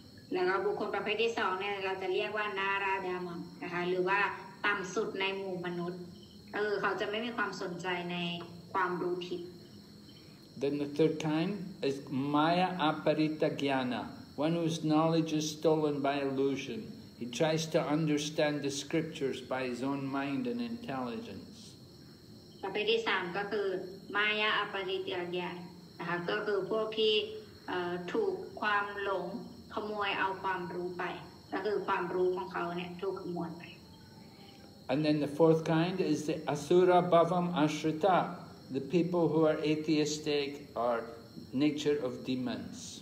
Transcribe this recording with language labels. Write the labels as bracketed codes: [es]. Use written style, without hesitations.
[en] Then the third kind is Maya Aparita Gyana. One whose knowledge is stolen by illusion. He tries to understand the scriptures by his own mind and intelligence. [th] ประเภทที่สามก็คือมายาอปริตยญาณนะคะก็คือพวกที่ถูกความหลงขโมยเอาความรู้ไปก็คือความรู้ของเขาเนี่ยถูกขโมยไป [en] And then the fourth kind is the asura bhavam ashrita, the people who are atheistic or nature of demons.